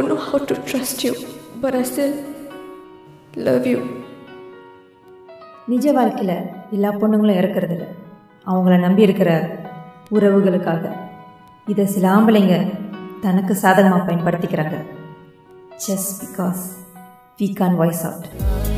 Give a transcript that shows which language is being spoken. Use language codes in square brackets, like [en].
[en] How to trust you, but I still love you. [ta] நிஜ வாழ்க்கையில் எல்லா பொண்ணுங்களும் இருக்கிறது இல்லை அவங்கள நம்பி இருக்கிற உறவுகளுக்காக. இதை சில ஆம்பளைங்க தனக்கு சாதகமாக பயன்படுத்திக்கிறாங்க. [en] Just because we can't voice out.